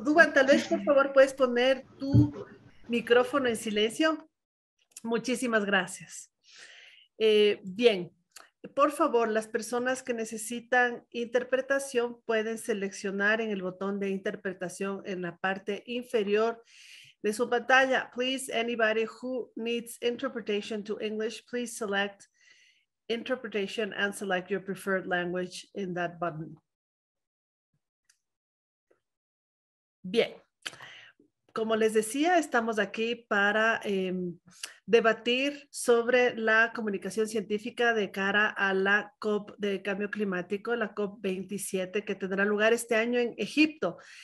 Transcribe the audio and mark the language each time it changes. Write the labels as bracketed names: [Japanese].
[Spanish] Duban, tal vez por favor puedes poner tu micrófono en silencio. Muchísimas gracias. Bien. Por favor, las personas que necesitan interpretación pueden seleccionar en el botón de interpretación en la parte inferior de su pantalla. [English] Please, anybody who needs interpretation to English, please select interpretation and select your preferred language in that button. [Spanish] Bien. Como les decía, estamos aquí para debatir sobre la comunicación científica de cara a la COP de cambio climático, la COP27, que tendrá lugar este año en Egipto.